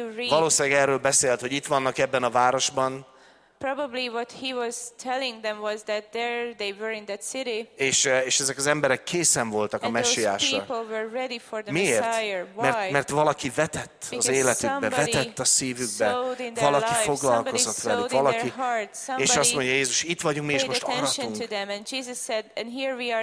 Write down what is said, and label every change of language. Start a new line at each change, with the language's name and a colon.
Hungarian: Valószínűleg erről beszélt, hogy itt vannak ebben a városban,
English: probably what he was telling them was that there they were in that city.
Hungarian: És ezek az emberek készen voltak a messiásra.
English: People were ready for the
Hungarian: miért?
English: Messiah. Why?
Hungarian: Mert valaki vetett
English: because
Hungarian: az életükbe, vetett a szívükbe, valaki foglalkozott velük, valaki. És azt mondja Jézus, itt vagyunk mi, és most aratunk.
English: And Jesus said, and here we are